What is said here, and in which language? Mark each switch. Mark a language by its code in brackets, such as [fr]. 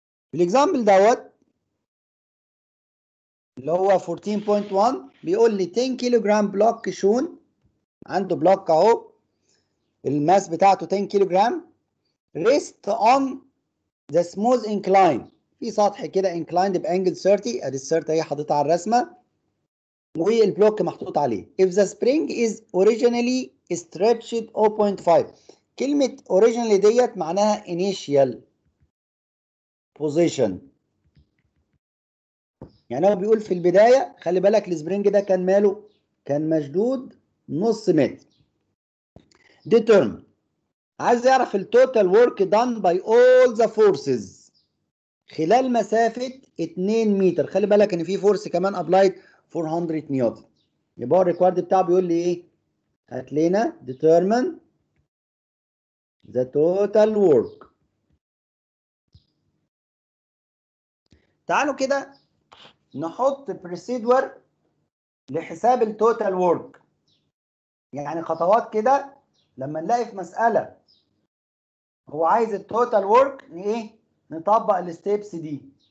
[ar] في الاكزامبل دوت اللي هو 14.1 بيقول لي 10 كيلو جرام بلوك شون، عنده بلوك اهو الماس بتاعته 10 كيلو جرام، [en] rest on the smooth incline, [ar] في سطح كده [en] inclined بانجل 30، [ar] ادي ال 30 اهي حاططها على الرسمه، والبلوك محطوط عليه. [en] If the spring is originally stretched 0.5، [ar] كلمة originally ديت معناها initial position، يعني هو بيقول في البداية. خلي بالك السبرينج ده كان ماله؟ كان مشدود نص متر. [en] Determine، [ar] عايز يعرف ال [en] total work done by all the forces [ar] خلال مسافة 2 متر. خلي بالك ان في فورس كمان applied 400 نيوتن. يبقى الريكوارد بتاعه بيقول لي ايه؟ هات لنا [en] determine the total work. [ar] تعالوا كده نحط بروسيدور لحساب التوتال ورك، يعني خطوات كده لما نلاقي في مساله هو عايز التوتال ورك ايه؟ نطبق الستيبس دي.